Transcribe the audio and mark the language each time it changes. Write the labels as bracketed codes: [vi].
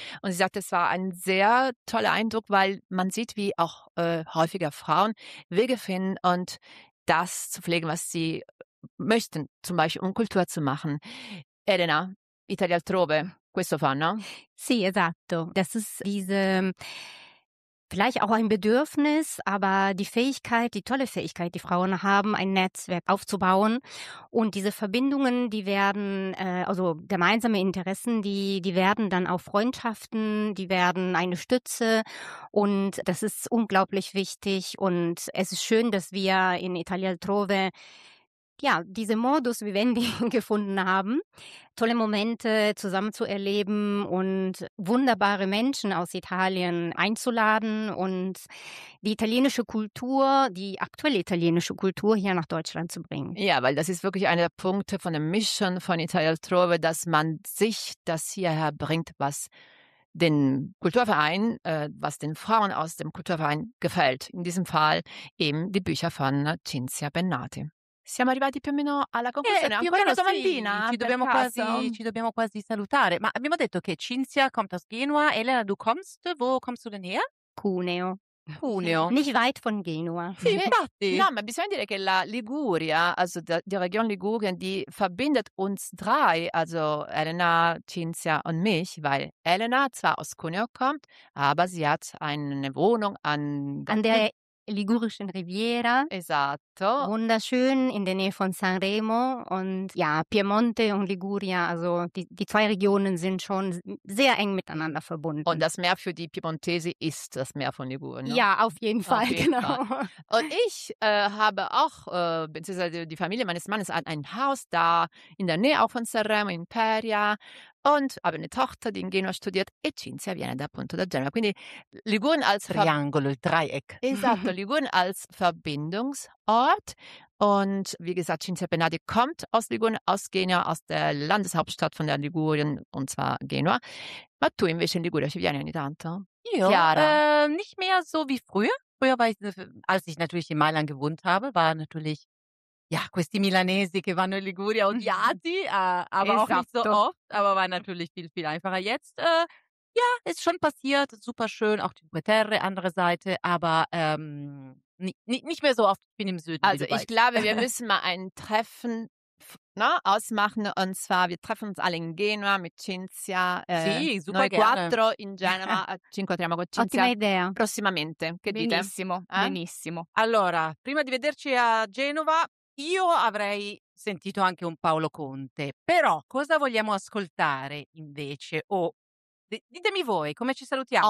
[de] Und sie sagte, es war ein sehr toller Eindruck, weil man sieht, wie auch häufiger Frauen Wege finden und das zu pflegen, was sie möchten, zum Beispiel um Kultur zu machen. [it] Elena, Italia altrove, questo fa, no? Sì, esatto. [de] Das ist diese, vielleicht auch ein Bedürfnis, aber die Fähigkeit, die tolle Fähigkeit, die Frauen haben, ein Netzwerk aufzubauen. Und diese Verbindungen, die werden, also gemeinsame Interessen, die werden dann auch Freundschaften, die werden eine Stütze. Und das ist unglaublich wichtig. Und es ist schön, dass wir in Italia altrove ja, diese Modus vivendi gefunden haben, tolle Momente zusammen zu erleben und wunderbare Menschen aus Italien einzuladen und die italienische Kultur, die aktuelle italienische Kultur hier nach Deutschland zu bringen. Ja, weil das ist wirklich einer der Punkte von der Mission von Italia altrove, dass man sich das hierher bringt, was den Kulturverein, was den Frauen aus dem Kulturverein gefällt. In diesem Fall eben die Bücher von Cinzia Bennati. [it] Siamo arrivati più o meno alla conclusione. Più o meno, sì, bambina, ci dobbiamo quasi salutare. Ma abbiamo detto che Cinzia [de] kommt aus Genua. Elena, du kommst, wo kommst du denn her? [it] Cuneo. Cuneo. [de] Nicht weit von Genua. [it] Sì, infatti. No, ma bisogna dire che la Liguria, [de] also die Region Ligurien, die verbindet uns drei, also Elena, Cinzia und mich, weil Elena zwar aus Cuneo kommt, aber sie hat eine Wohnung an der Ligurischen Riviera. [it] Esatto. [de] Wunderschön in der Nähe von Sanremo. Und ja, Piemonte und Liguria, also die zwei Regionen sind schon sehr eng miteinander verbunden. Und das Meer für die Piemontese ist das Meer von Ligurien. Ja, auf jeden Fall, okay, genau. Klar. Und ich habe auch, beziehungsweise die Familie meines Mannes hat ein Haus da in der Nähe auch von Sanremo, in Peria. Und habe eine Tochter, die in Genua studiert, [it] e Cinzia viene da appunto da Genova. Quindi [de] Ligurien als [it] Triangolo, il Dreieck. Esatto, [de] Ligurien als Verbindungsort. Und wie gesagt, Cinzia Bennati kommt aus Ligurien, aus Genua, aus der Landeshauptstadt von der Ligurien, und zwar Genua. [it] Ma tu invece in Liguria ci vieni ogni tanto? Io? [de] Nicht mehr so wie früher. Früher war ich, als ich natürlich in Mailand gewohnt habe, war natürlich, ja, [it] questi Milanesi che vanno in Liguria odiati, [de] aber [it] esatto, [de] auch nicht so oft, aber war natürlich viel, viel einfacher. Jetzt, ja, ist schon passiert, super schön, auch die Cinque Terre, andere Seite, aber nicht mehr so oft, ich bin im Süden. Also ich glaube, wir müssen mal ein Treffen, ne, ausmachen, und zwar, wir treffen uns alle in Genua mit Cinzia. [it] Sì, super noi [de] gerne. [it] Quattro in Genova, ci incontriamo con Cinzia. Ottima idea. Prossimamente, che benissimo, dite? Benissimo, benissimo. Allora, prima di vederci a Genova, io avrei sentito anche un Paolo Conte, però cosa vogliamo ascoltare invece? Ditemi voi, come ci salutiamo,